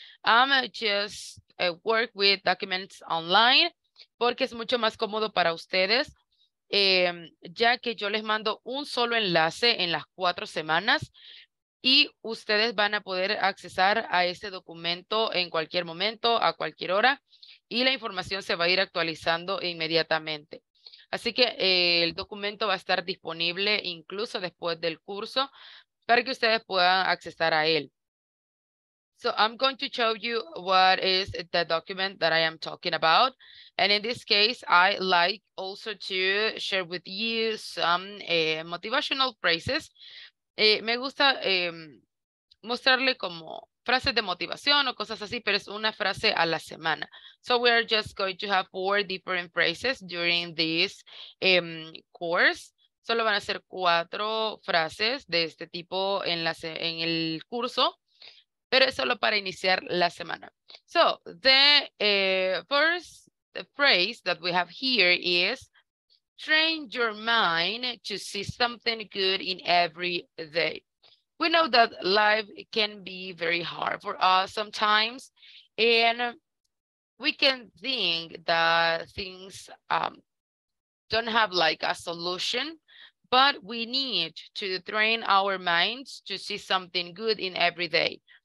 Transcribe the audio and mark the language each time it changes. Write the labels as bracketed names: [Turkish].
[English] I'm just work with documents online [Spanish] porque es mucho más cómodo para ustedes, ya que yo les mando un solo enlace en las 4 semanas y ustedes van a poder accesar a ese documento en cualquier momento, a cualquier hora, y la información se va a ir actualizando inmediatamente. Así que el documento va a estar disponible incluso después del curso para que ustedes puedan accesar a él. [English] So I'm going to show you what is the document that I am talking about. And in this case, I like also to share with you some motivational phrases. [Spanish] Me gusta mostrarle como frases de motivación o cosas así, pero es una frase a la semana. [English] So we are just going to have 4 different phrases during this course. [Spanish] Solo van a ser 4 frases de este tipo en el curso, pero es solo para iniciar la semana. [English] So the first phrase that we have here is train your mind to see something good in every day. We know that life can be very hard for us sometimes, and we can think that things don't have like a solution, but we need to train our minds to see something good in every day.